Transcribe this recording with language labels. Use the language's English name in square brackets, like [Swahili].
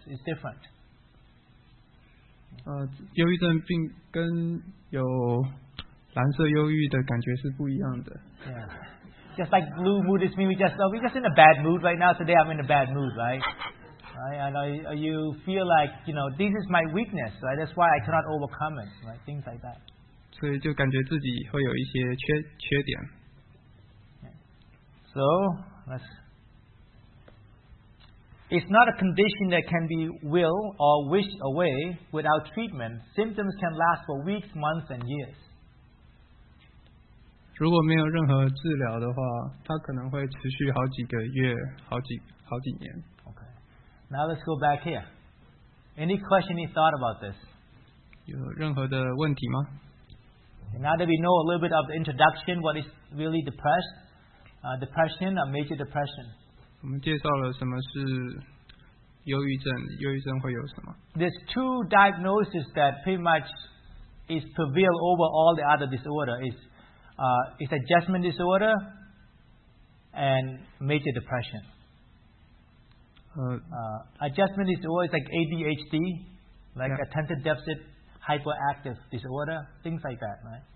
[English] It's different. [Chinese] 忧郁症并跟有蓝色忧郁的感觉是不一样的。 [English] Yeah, just like blue mood is mean, we're just in a bad mood right now. Today I'm in a bad mood, right? Right, and you feel like, you know, this is my weakness, right? That's why I cannot overcome it, right? Things like that. [Chinese] 所以就感觉自己会有一些缺点。 [English] So, let's... It's not a condition that can be will or wish away without treatment. Symptoms can last for weeks, months, and years. [Chinese] 如果没有任何治疗的话，它可能会持续好几个月，好几年。 [English] Now let's go back here. Any question, any thought about this? [Chinese] 有任何的问题吗? [English] Now that we know a little bit of the introduction, what is really depressed? Depression, a major depression. [Chinese] 我们介绍了什么是忧郁症,忧郁症会有什么? [English] There's two diagnoses that pretty much is prevail over all the other disorder. It's adjustment disorder and major depression. Adjustment disorder is like ADHD, like attention deficit hyperactive disorder, things like that, right?